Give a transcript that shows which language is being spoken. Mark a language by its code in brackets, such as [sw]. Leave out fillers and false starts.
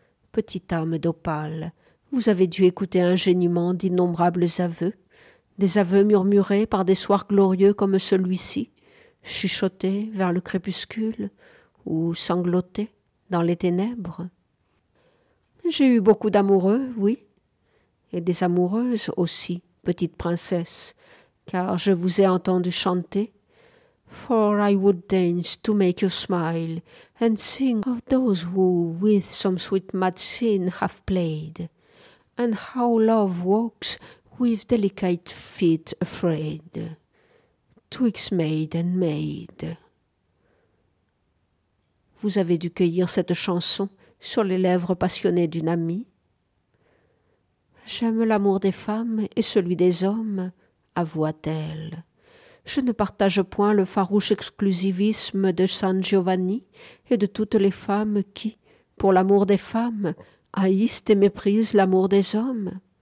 [fr] Petite âme d'opale, vous avez dû écouter un gémissement d'innombrables aveux, des aveux murmurés par des soirs glorieux comme celui-ci, chuchotés vers le crépuscule ou sanglotés dans les ténèbres. J'ai eu beaucoup d'amoureux, oui, et des amoureuses aussi, petite princesse, car je vous ai entendu chanter. [en] For I would dance to make you smile and sing of those who with some sweet mad sin have played. And how love walks with delicate feet afraid, twixt maid and maid. [fr] Vous avez dû cueillir cette chanson sur les lèvres passionnées d'une amie. J'aime l'amour des femmes et celui des hommes, avoua-t-elle. Je ne partage point le farouche exclusivisme de San Giovanni et de toutes les femmes qui, pour l'amour des femmes, haïssent et méprisent l'amour des hommes.